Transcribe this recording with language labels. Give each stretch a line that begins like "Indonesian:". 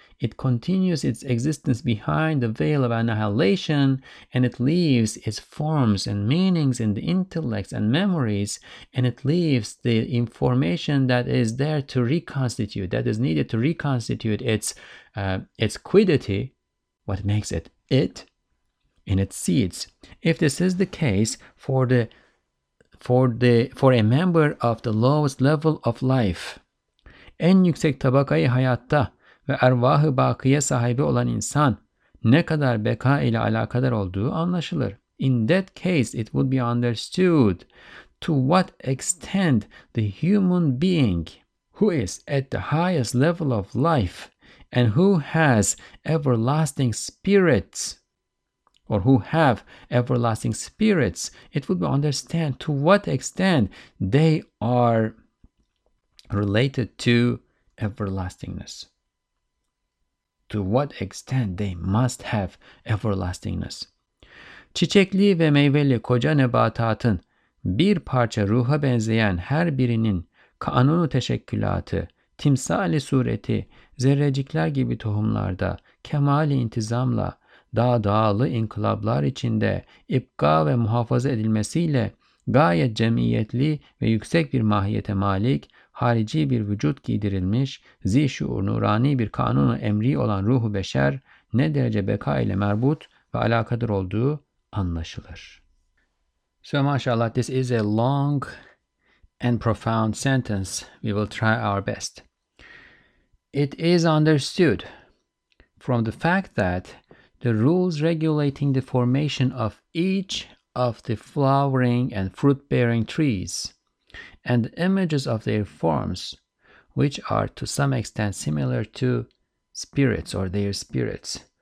English: It continues its existence behind the veil of annihilation, and it leaves its forms and meanings in the intellects and memories, and it leaves the information that is there to reconstitute, that is needed to reconstitute its quiddity, what makes it it, in its seeds. If this is the case for a member of the lowest level of life,
Turkish: en yüksek tabakayı hayatta ve ervah-ı bakiye sahibi olan insan ne kadar beka ile alakadar olduğu anlaşılır.
English: In that case, it would be understood to what extent the human being who is at the highest level of life and who has everlasting spirits, or who have everlasting spirits, it would be understood to what extent they are related to everlastingness. To what extent they must have everlastingness.
Turkish: Çiçekli ve meyveli koca nebatatın bir parça ruha benzeyen her birinin kanunu teşekkülatı, timsali sureti zerrecikler gibi tohumlarda kemali intizamla daha dağlı inkılaplar içinde ipka ve muhafaza edilmesiyle gayet cemiyetli ve yüksek bir mahiyete malik, harici bir vücut giydirilmiş, zişuur nurani bir kanunu emri olan ruhu beşer ne derece beka ile merbut ve alakadar olduğu anlaşılır.
English: So maşallah, this is a long and profound sentence. We will try our best. It is understood from the fact that the rules regulating the formation of each of the flowering and fruit-bearing trees and the images of their forms, which are to some extent similar to spirits or their spirits.